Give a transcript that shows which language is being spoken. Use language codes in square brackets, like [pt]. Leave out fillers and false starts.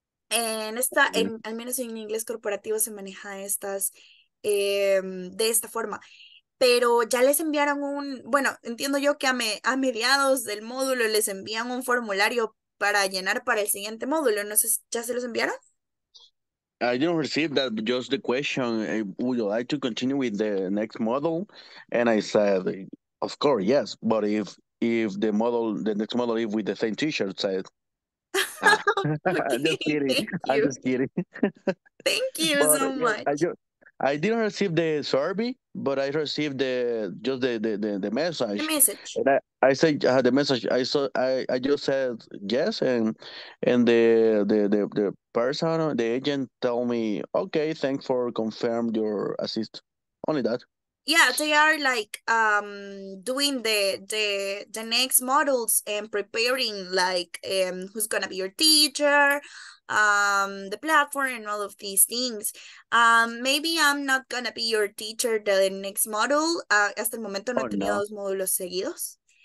[es] En esta, al menos en inglés corporativo se maneja estas de esta forma. Pero ya les enviaron bueno, entiendo yo que a mediados del módulo les envían un formulario para llenar para el siguiente módulo. No sé, ¿ya se los enviaron? [en] I didn't receive that, just the question, would you like to continue with the next module? And I said, of course, yes, but if the model, the next model is with the same t-shirt, said. Okay. I'm just kidding. Thank you so much. I didn't receive the survey, but I received the message. The message. And I said the message. I just said yes, and the person, the agent, told me, okay, thanks for confirm your assist. Only that. Yeah, they are like doing the next models and preparing like who's gonna be your teacher, the platform and all of these things. Maybe I'm not gonna be your teacher the next module. [es] Hasta el momento no he tenido dos módulos seguidos.